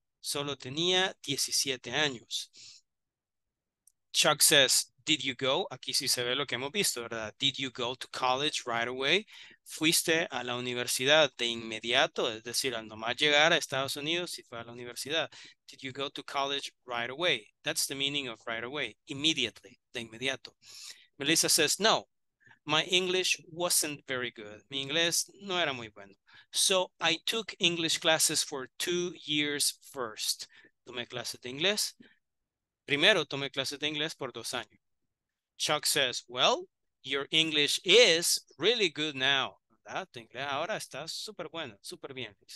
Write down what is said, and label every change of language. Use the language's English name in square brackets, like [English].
[Spanish] Solo tenía 17 años. [English] Chuck says, did you go? [Spanish] Aquí sí se ve lo que hemos visto, ¿verdad? [English] Did you go to college right away? [Spanish] Fuiste a la universidad de inmediato, es decir, al nomás llegar a Estados Unidos y fue a la universidad. [English] Did you go to college right away? That's the meaning of right away, immediately, [Spanish] de inmediato. [English] Melissa says, no, my English wasn't very good. [Spanish] Mi inglés no era muy bueno. [English] So I took English classes for 2 years first. [Spanish] Tomé clases de inglés. Primero tomé clases de inglés por 2 años. [English] Chuck says, well, your English is really good now. [Spanish] Tu inglés ahora está súper bueno, súper bien.